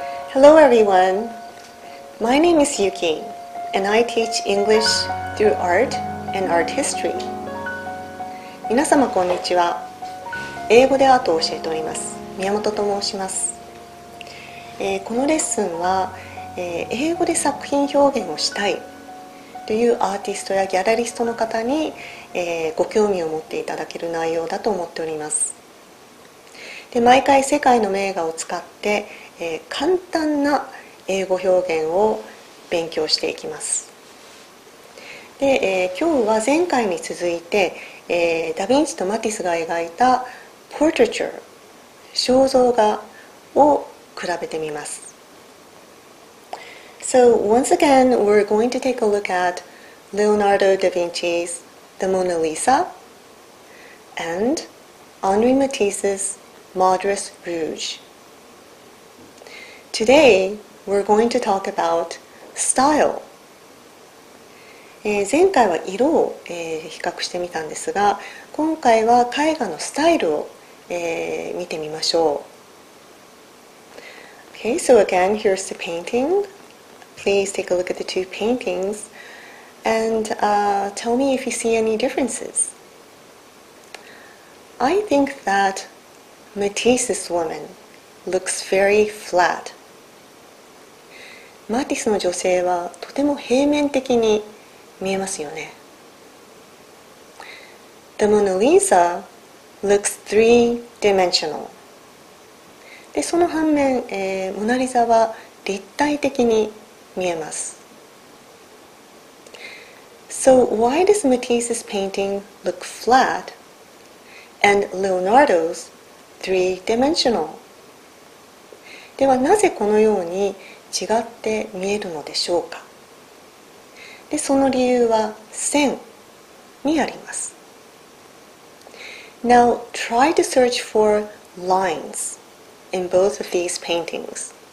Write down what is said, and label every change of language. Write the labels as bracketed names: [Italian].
[English] Hello everyone, my name is Yuki and I teach English through art and art history. [Japanese] 皆様こんにちは。英語でアートを教えております。宮本と申します。このレッスンは、英語で作品表現をしたいというアーティストやギャラリストの方に、ご興味を持っていただける内容だと思っております。で毎回世界の名画を使って、簡単な英語表現を勉強していきます。で、今日は前回に続いて、ダヴィンチとマティスが描いたポートリチャー肖像画を比べてみます。 [English] So once again, we're going to take a look at Leonardo da Vinci's The Mona Lisa and Henri Matisse'sModest Rouge. Today, we're going to talk about style. [Japanese] 前回は色を、比較してみたんですが、今回は絵画のスタイルを、見てみましょう。 [English] Okay, so again, here's the painting. Please take a look at the two paintings and tell me if you see any differences. I think thatMatisse's woman looks very flat. [Japanese] マティスの女性はとても平面的に見えますよね。 [English] The Mona Lisa looks three-dimensional. [Japanese] で、その反面、モナリザは立体的に見えます。 [English] So why does Matisse's painting look flat and Leonardo's? Three-dimensional. [Japanese] ではなぜこのように違って見えるのでしょうか。でその理由は線にあります。 [English] Now try to search for lines in both of these paintings.